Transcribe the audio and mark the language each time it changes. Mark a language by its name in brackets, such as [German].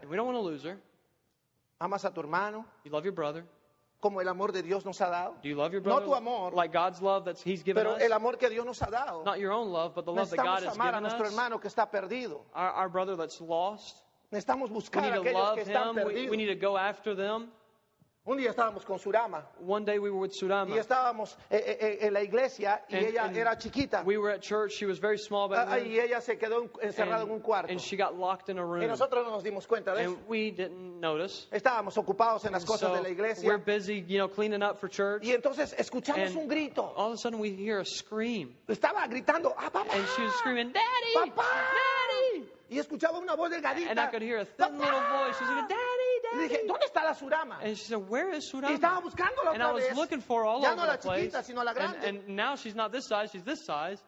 [English] And we don't want to lose her. [Spanish] Amas a tu hermano. [English] You love your brother. [Spanish] Como el amor de Dios nos ha dado. [English] Do you love your brother? [Spanish] No tu amor. [English] Like God's love that he's given [Spanish] pero [English] us. [Spanish] Pero el amor que Dios nos ha dado. [English] Not your own love, but the love [Spanish] necesitamos [English] that God has [Spanish] amar [English] given [Spanish] a nuestro [English] us. [Spanish] Hermano que está perdido. [English] Our brother that's lost. [Spanish] Necesitamos buscar aquellos que [English] love [Spanish] están [English] him. [Spanish] Perdidos. [English] We need to go after them. [Spanish] Un día estábamos con Surama. [English] One day we were with Surama. [Spanish] Y estábamos en la iglesia y [English] and, [Spanish] ella [English] and [Spanish] era chiquita. [English] We were at church. She was very small back then. [Spanish] Y ella se quedó encerrada en un cuarto. [English] And she got locked in a room. [Spanish] Y nosotros no nos dimos cuenta de [English] and [Spanish] eso. [English] And we didn't notice. [Spanish] Estábamos ocupados en [English] and [Spanish] las cosas [English] so [Spanish] de la iglesia. [English] We're busy, you know, cleaning up for church. [Spanish] Y entonces escuchamos [English] and [Spanish] un grito. [English] All of a sudden we hear a scream. [Spanish] Estaba gritando, ¡ah, papá! [English] And she was screaming, ¡Daddy! [Spanish] ¡Papá! [English] ¡Daddy! [Spanish] Y escuchaba una voz delgadita. [English] And I could hear a thin [Spanish] papá! [English] Little voice. She was like, ¡Daddy! [Spanish] Y dije, ¿dónde está la Surama? [English] And she said, where is Surama? [Spanish] Y estaba buscándola [English] and I was [Spanish] vez. [English] Looking for her all [Spanish] ya [English] over [Spanish] no [English] the place. [Spanish] Chiquita, sino la grande. [English] And now she's not this size, she's this size.